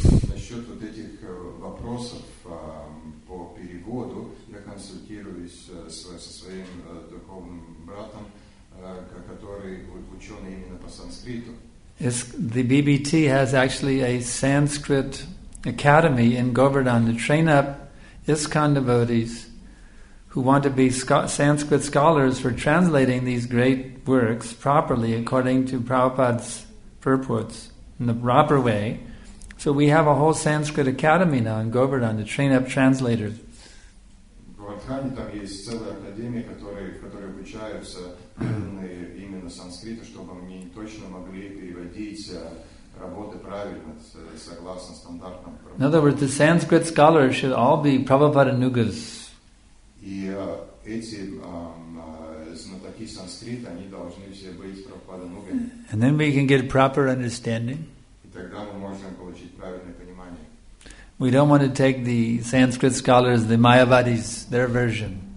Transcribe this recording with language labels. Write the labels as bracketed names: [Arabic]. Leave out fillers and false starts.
[Russian] Насчет вот этих вопросов по переводу, я консультируюсь со своим духовным братом, который ученый именно по санскриту. [English] The BBT has actually a Sanskrit academy in Govardhan to train up ISKCON devotees who want to be Sanskrit scholars for translating these great works properly according to Prabhupada's purports in the proper way. So we have a whole Sanskrit academy now in Govardhan to train up translators. [Russian] Govardhan, там есть целая академия, в которой обучаются именно санскриту, чтобы они точно могли переводить работы правильно, согласно стандартам. [English] In other words, the Sanskrit scholars should all be Prabhupada Nugas. [Russian] И эти знатоки санскрита, они должны все быть Прабхупада Нугами. [English] And then we can get proper understanding. [Russian] И тогда мы можем получить правильное понимание. [English] We don't want to take the Sanskrit scholars, the Mayavadis, their version.